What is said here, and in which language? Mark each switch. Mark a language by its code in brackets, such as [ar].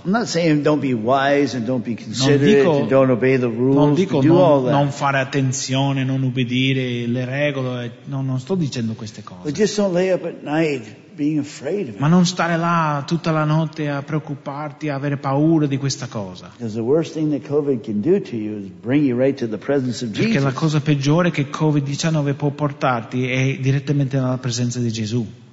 [en] I'm not saying don't be wise and don't be considerate, [it] dico, [en] and don't obey the rules. [it] Non dico [en] to do [it] non, [en] all that. [it] Non fare attenzione, non ubbidire le regole. No, non sto dicendo queste cose. [en] But just don't lay up at night being afraid of it. [it] Ma non stare là tutta la notte a preoccuparti, a avere paura di questa cosa. [en] Because the worst thing that COVID can do to you is bring you right to the presence of Jesus. [it] Perché la cosa peggiore che COVID-19 può portarti è direttamente nella presenza di Gesù.